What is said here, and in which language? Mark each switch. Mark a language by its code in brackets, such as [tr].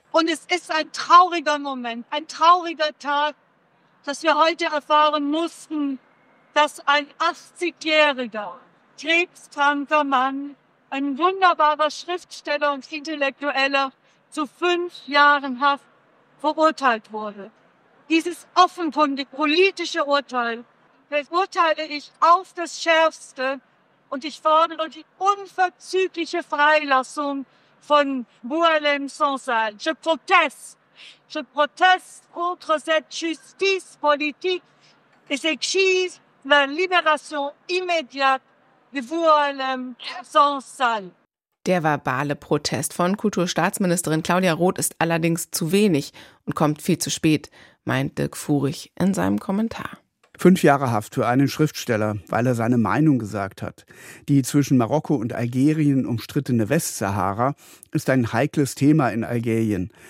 [de] Und es ist ein trauriger Moment, ein trauriger Tag, dass wir heute erfahren mussten, dass ein 80-jähriger, krebskranker Mann, ein wunderbarer Schriftsteller und Intellektueller, zu 5 Jahren Haft verurteilt wurde. Dieses offenkundig politische Urteil verurteile ich auf das Schärfste, und ich fordere die unverzügliche Freilassung von Boualem Sansal. [fr] Je proteste. Je proteste contre cette justice politique et j'exige la libération immédiate de Boualem Sansal. [de] Der verbale Protest von Kulturstaatsministerin Claudia Roth ist allerdings zu wenig und kommt viel zu spät, meint Dirk Fuhrig in seinem Kommentar. 5 Jahre Haft für einen Schriftsteller, weil er seine Meinung gesagt hat. Die zwischen Marokko und Algerien umstrittene Westsahara ist ein heikles Thema in Algerien.